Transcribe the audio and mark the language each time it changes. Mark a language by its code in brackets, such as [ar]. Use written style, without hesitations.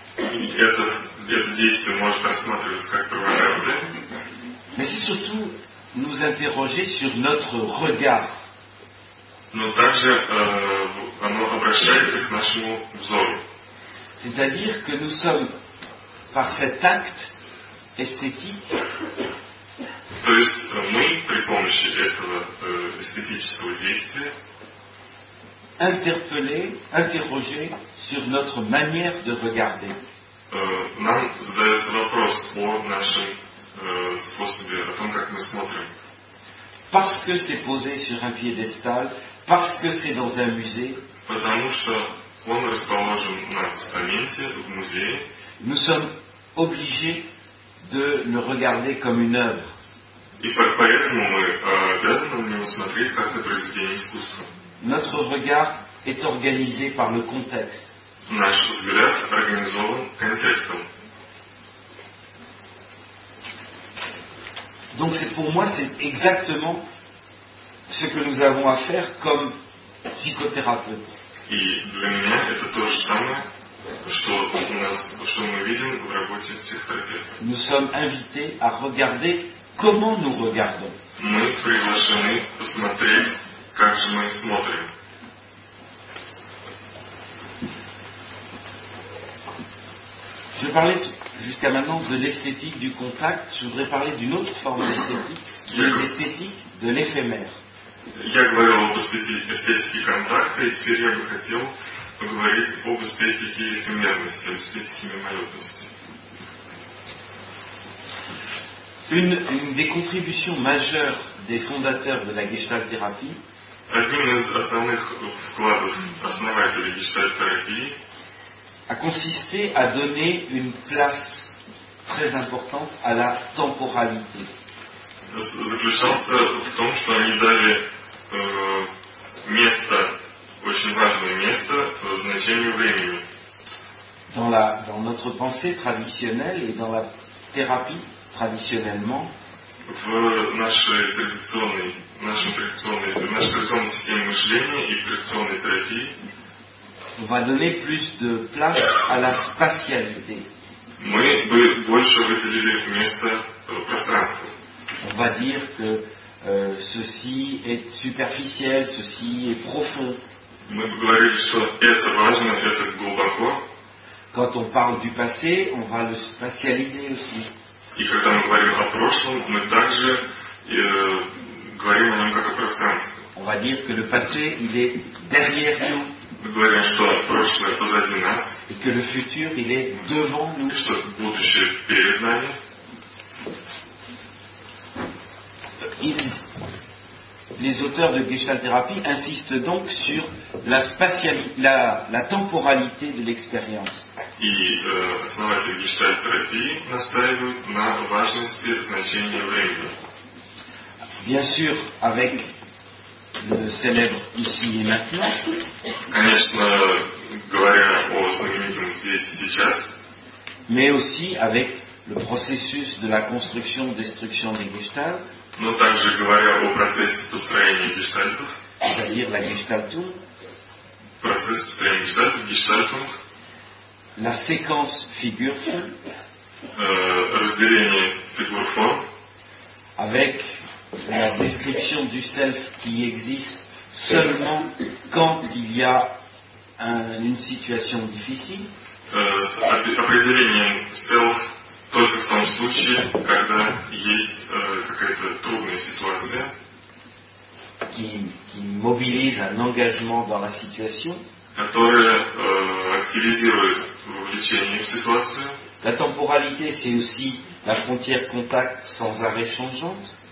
[ru] Это действие может рассматриваться как провокация. [fr] Mais c'est surtout nous interroger sur notre regard. [ru] Но также оно обращается к нашему взору. [fr] C'est-à-dire que nous sommes par cet acte esthétique. [ru] То есть мы при помощи этого эстетического действия [fr] interpeller, interroger sur notre manière de regarder. [ru] Нам задается вопрос о нашем способе, о том, как мы смотрим. [fr] Parce que c'est posé sur un piédestal, parce que c'est dans un musée. [ru] Потому что он расположен на постаменте в музее. [fr] Nous sommes obligés de le regarder comme une œuvre. [ru] И поэтому мы обязаны на него смотреть как на произведение искусства. [fr] Notre regard est organisé par le contexte. [ru] Наш взгляд организован контекстом. [fr] Donc c'est pour moi c'est exactement ce que nous avons à faire comme psychothérapeute. [ru] И для меня это то же самое, что мы видим в работе психотерапевта. [fr] Nous sommes invités à regarder comment nous regardons. [ru] Мы приглашены посмотреть, как же мы смотрим. [fr] Je parlais jusqu'à maintenant de l'esthétique du contact. Je voudrais parler d'une autre forme d'esthétique, l'esthétique de l'éphémère. [ru] Я говорил об эстетике контакта, и теперь я бы хотел поговорить об эстетике эфемерности, об эстетике мимолетности. [fr] Une des contributions majeures des fondateurs de la Gestalt-thérapie. [ru] Один из основных вкладов основателей Gestalt-терапии. [fr] A consisté à donner une place très importante à la temporalité. [ru] Заключался в том, что они дали место, очень важное место, значению времени. [fr] Dans notre pensée traditionnelle et dans la thérapie traditionnellement. [ru] В нашей традиционной системе мышления и традиционной терапии. [fr] On va donner plus de place à la spatialité. [ru] Мы бы больше выделили место пространству. [fr] On va dire que ceci est superficiel, ceci est profond. [ru] Мы бы говорили, что это важно, это глубоко. [fr] Quand on parle du passé, on va le spatialiser aussi. [ru] И когда мы говорим о прошлом, мы также говорим о нем как о пространстве. [fr] On va dire que le passé, il est derrière nous. [ru] Мы говорим, что прошлое позади нас. [fr] Et que le futur, il est devant nous. [ru] И что будущее перед нами. [fr] Les auteurs de Gestalt-thérapie insistent donc sur la temporalité de l'expérience. [ru] И основатели Гештальт-терапии настаивают на важности значения времени. [fr] Bien sûr, avec le célèbre ici et maintenant. [ru] Конечно, говоря о знаменитом здесь и сейчас. [fr] Mais aussi avec le processus de la construction-destruction des Gestalt. [ru] Но также говоря о процессе построения гештальтов. [fr] C'est-à-dire la gestaltung. [ru] Процесс построения гештальтов, гештальтунг. [fr] La séquence figure-form. [ru] Разделение фигур-форм. [fr] Avec la description du self qui existe seulement quand il y a une situation difficile. [ru] Определением self только в том случае, когда есть какая-то трудная ситуация. [fr] Qui mobilise un engagement dans la situation. [ru] Которая активизирует вовлечение в ситуацию. [fr] La temporalité, c'est aussi la frontière contact sans arrêt changeante.